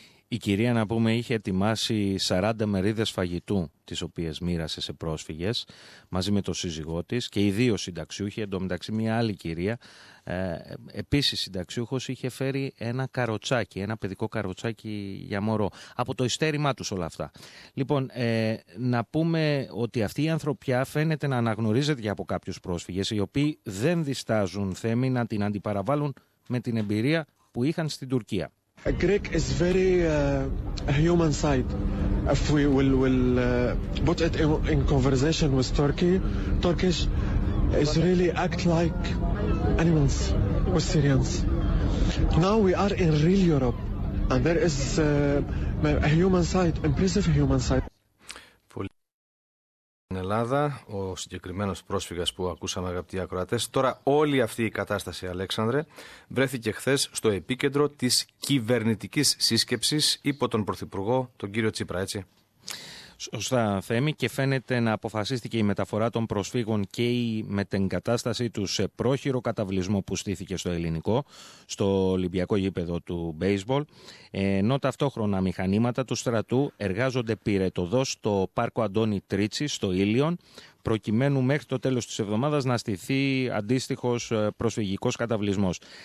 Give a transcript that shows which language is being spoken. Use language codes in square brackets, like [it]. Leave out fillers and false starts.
[el] Η κυρία, να πούμε, είχε ετοιμάσει 40 μερίδες φαγητού, τις οποίες μοίρασε σε πρόσφυγες μαζί με τον σύζυγό της, και οι δύο συνταξιούχοι, εντωμεταξύ μια άλλη κυρία, επίσης συνταξιούχος, είχε φέρει ένα καροτσάκι, ένα παιδικό καροτσάκι για μωρό, από το υστέρημά τους όλα αυτά. Λοιπόν, να πούμε ότι αυτή η ανθρωπιά φαίνεται να αναγνωρίζεται και από κάποιους πρόσφυγες, οι οποίοι δεν διστάζουν, Θέμη, να την αντιπαραβάλουν με την εμπειρία που είχαν στην Τουρκία. [en] A Greek is very human side. If we will put it in conversation with Turkey, Turkish is really act like animals with Syrians. Now we are in real Europe, and there is a human side, impressive human side. [el] Στην Ελλάδα, ο συγκεκριμένος πρόσφυγας που ακούσαμε, αγαπητοί ακροατές. Τώρα, όλη αυτή η κατάσταση, Αλέξανδρε, βρέθηκε χθες στο επίκεντρο της κυβερνητικής σύσκεψης υπό τον Πρωθυπουργό, τον κύριο Τσίπρα, έτσι. Σωστά, Θέμη, και φαίνεται να αποφασίστηκε η μεταφορά των προσφύγων και η μετεγκατάστασή τους σε πρόχειρο καταβλισμό που στήθηκε στο ελληνικό, στο Ολυμπιακό γήπεδο του μπέιζμπολ, ενώ ταυτόχρονα μηχανήματα του στρατού εργάζονται πυρετωδώς στο πάρκο Αντώνη Τρίτσι, στο Ήλιον, προκειμένου μέχρι το τέλος της εβδομάδας να στηθεί αντίστοιχος προσφυγικός καταβλισμός.